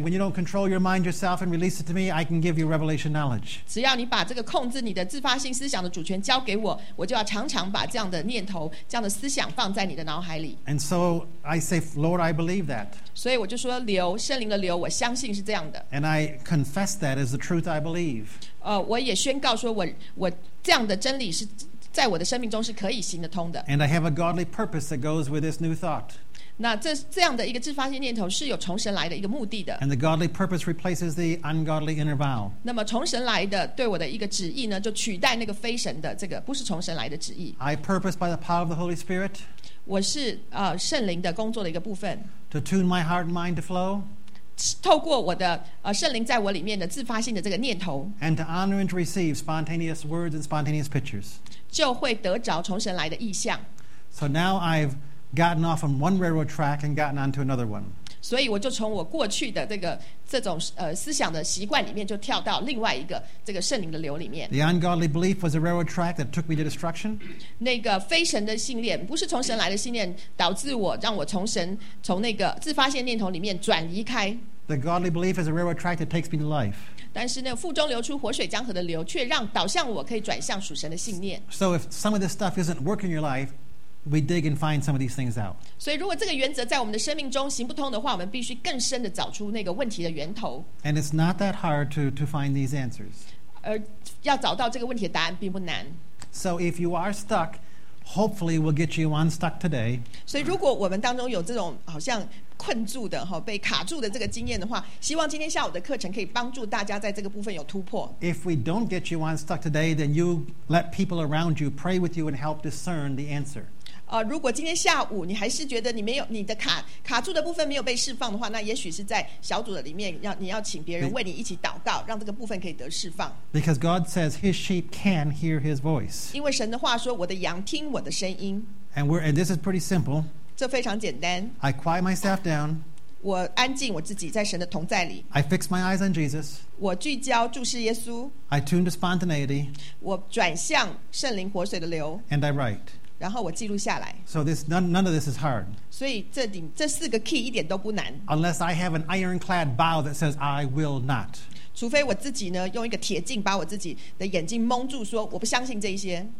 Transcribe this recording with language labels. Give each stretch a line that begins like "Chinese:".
English: And when you don't control your mind yourself and release it to me, I can give you revelation knowledge.
Chinese: 只要你把这个控制你的自发性思想的主权交给我，我就要常常把这样的念头，这样的思想放在你的脑海里。
English: And so I say, Lord, I believe that.
Chinese: 所以我就说流，圣灵的流，我相信是这样的。
English: And I confess that as the truth I believe.
Chinese: 我也宣告说我这样的真理是在我的生命中是可以行得通的。
English: And I have a godly purpose that goes with this new thought.
Chinese: 那这样的一个自发性念头是有从神来的一个目的的。
English: And the godly purpose replaces the ungodly inner vow.
Chinese: 那么从神来的对我的一个旨意呢，就取代那个非神的这个不是从神来的旨意。
English: I purpose by the power of the Holy Spirit.
Chinese: 我是圣灵的工作的一个部分。
English: To tune my heart and mind to flow.
Chinese: 透过我的圣灵在我里面的自发性的这个念头
English: and to honor and to receive spontaneous words and spontaneous pictures
Chinese: 就会得着从神来的意象。
English: So now I've gotten off on one railroad track and gotten onto another one.
Chinese: 所以我就从我过去的这种思想的习惯里面就跳到另外一个这个圣灵的流里面。
English: The ungodly belief was a railroad track that took me to destruction.
Chinese: 那个非神的信念不是从神来的信念导致我让我从神从那个自发性念头里面转移开。
English: The godly belief is a railroad track that takes me to life.
Chinese: 但是那腹中流出活水江河的流却让导向我可以转向属神的信念。
English: So if some of this stuff isn't working in your life, we dig and find some of these things out.
Chinese: 所以如果这个原则在我们的生命中行不通的话，我们必须更深的找出那个问题的源头。
English: And it's not that hard to find these answers.
Chinese: 而要找到这个问题的答案并不难。
English: So if you are stuck, hopefully we'll get you unstuck today.
Chinese: 所以如果我们当中有这种好像困住的被卡住的这个经验的话，希望今天下午的课程可以帮助大家在这个部分有突破。
English: If we don't get you unstuck today, then you let people around you pray with you and help discern the answer.
Chinese: 如果今天下午你还是觉得你没有你的卡住的部分没有被释放的话，那也许是在小组的里面要你要请别人为你一起祷告，让这个部分可以得释放。
English: Because God says His sheep can hear His voice.
Chinese: 因为神的话说，我的羊听我的声音。
English: And this is pretty simple.
Chinese: 这非常简单。
English: I quiet myself down.
Chinese: 我安静我自己，在神的同在里。
English: I fix my eyes on Jesus.
Chinese: 我聚焦注视耶稣。
English: I tune to spontaneity.
Chinese: 我转向圣灵活水的流。
English: And I write.
Chinese: 然后我记录下来。
English: So this none of this is hard.
Chinese: 所以这四个 key 一点都不难。
English: Unless I have an ironclad vow that says I will not.
Chinese: 除非我自己呢用一个铁镜把我自己的眼睛蒙住，说我不相信这一些。